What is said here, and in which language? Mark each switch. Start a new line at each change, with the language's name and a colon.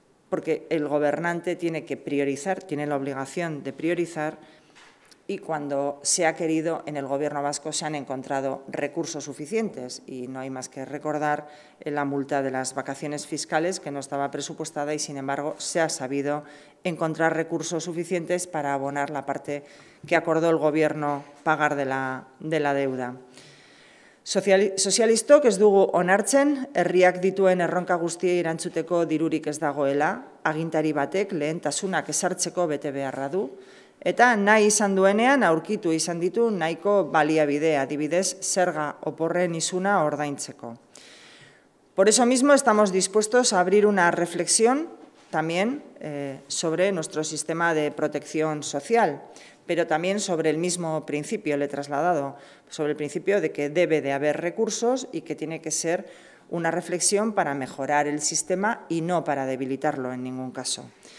Spanish: porque el gobernante tiene que priorizar, tiene la obligación de priorizar, y cuando se ha querido en el Gobierno vasco se han encontrado recursos suficientes, y no hay más que recordar la multa de las vacaciones fiscales, que no estaba presupuestada y, sin embargo, se ha sabido encontrar recursos suficientes para abonar la parte que acordó el Gobierno pagar de la deuda.
Basque: Sozialistok ez dugu onartzen, herriak dituen erronka guztiei erantzuteko dirurik ez dagoela, agintari batek lehentasunak ezartzeko bete beharra du, eta nahi izan duenean aurkitu izan ditu nahiko baliabide, adibidez, zerga oporren izuna ordaintzeko.
Spanish: Por eso mismo estamos dispuestos a abrir una reflexión también sobre nuestro sistema de protección social, pero también sobre el mismo principio, le he trasladado, sobre el principio de que debe de haber recursos y que tiene que ser una reflexión para mejorar el sistema y no para debilitarlo en ningún caso.